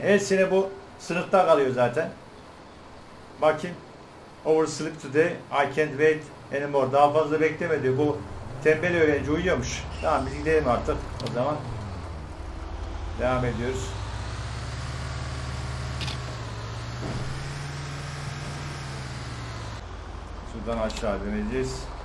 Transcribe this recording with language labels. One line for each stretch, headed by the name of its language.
Turkish: Her sene bu sınıfta kalıyor zaten. Bakayım.
English: Oversleep today. I can't wait anymore.
Turkish: Daha fazla beklemedi. Bu tembel öğrenci uyuyormuş. Tamam, biz gidelim artık. O zaman devam ediyoruz. Şuradan aşağı döneceğiz.